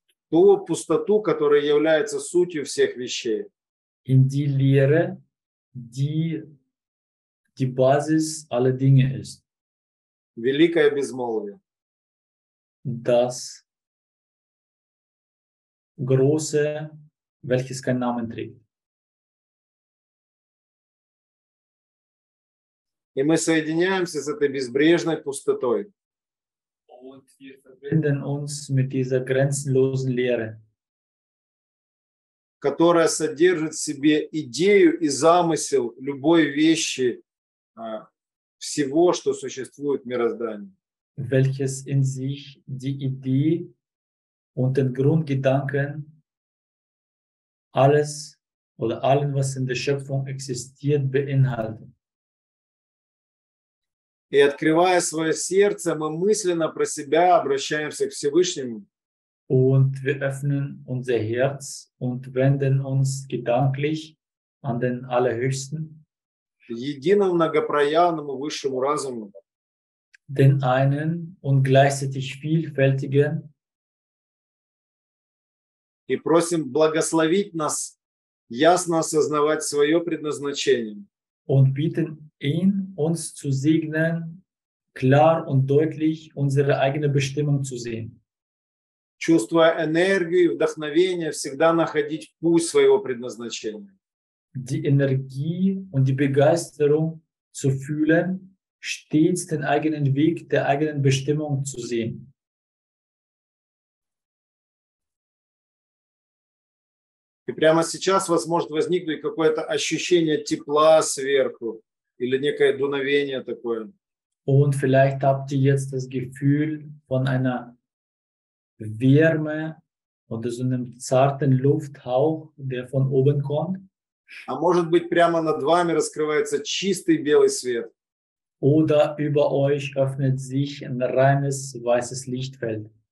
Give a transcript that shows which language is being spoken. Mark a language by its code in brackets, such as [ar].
[ru] В ту пустоту, которая является сутью всех вещей. [de] In die Leere, die Basis aller Dinge ist. [ru] Великое безмолвие. [de] Das große, welches keinen Namen trägt. [ru] И мы соединяемся с этой безбрежной пустотой. [de] Und wir verbinden uns mit dieser grenzenlosen Leere, [ru] которая содержит в себе идею и замысел любой вещи, всего, что существует в мироздании. [de] Welches in sich die Idee und den Grundgedanken alles oder allen, was in der Schöpfung existiert, beinhaltet. [ru] И открывая свое сердце, мы мысленно про себя обращаемся к Всевышнему. [de] Und wir öffnen unser Herz und wenden uns gedanklich an den Allerhöchsten. [ru] Единому многопроявному высшему разуму. [de] Den einen und gleichzeitig vielfältigen. [ru] И просим благословить нас ясно осознавать свое предназначение. [de] Und bitten ihn, uns zu segnen, klar und deutlich unsere eigene Bestimmung zu sehen. [ru] Чувствуя энергию и вдохновение всегда находить путь своего предназначения. [de] Die Energie und die Begeisterung zu fühlen, stets den eigenen Weg der eigenen Bestimmung zu sehen. [ru] И прямо сейчас у вас может возникнуть какое-то ощущение тепла сверху или некое дуновение такое. [de] Und vielleicht habt ihr jetzt das Gefühl von einer Wärme oder so einem zarten Lufthauch, der von oben kommt. [ru] А может быть, прямо над вами раскрывается чистый белый свет. [de] Oder über euch öffnet sich ein reines weißes Lichtfeld.